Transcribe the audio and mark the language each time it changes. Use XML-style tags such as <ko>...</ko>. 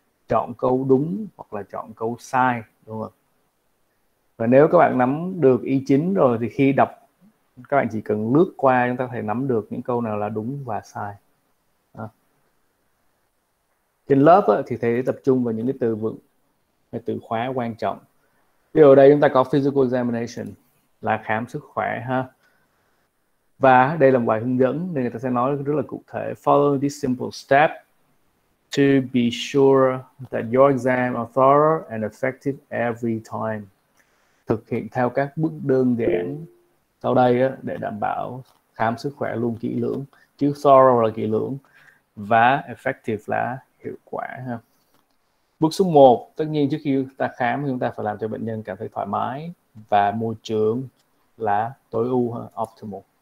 <vi>Chọn câu đúng hoặc là chọn câu sai, đúng không? Và nếu các bạn nắm được ý chính rồi thì khi đọc các bạn chỉ cần lướt qua, chúng ta có thể nắm được những câu nào là đúng và sai. Trên lớp ấy, thì thầy tập trung vào những cái từ vựng hay từ khóa quan trọng. Ví dụ đây chúng ta có physical examination là khám sức khỏe ha. Và đây là một bài hướng dẫn nên người ta sẽ nói rất là cụ thể.</vi> <en>Follow these simple steps to be sure that your exam are thorough and effective every time.</en> <vi>Thực hiện theo các bước đơn giản sau đây á, để đảm bảo khám sức khỏe luôn kỹ lưỡng. Chứ thorough là kỹ lưỡng và effective là hiệu quả ha. Bước số 1, tất nhiên trước khi ta khám chúng ta phải làm cho bệnh nhân cảm thấy thoải mái và môi trường là tối ưu ha, optimal.</vi>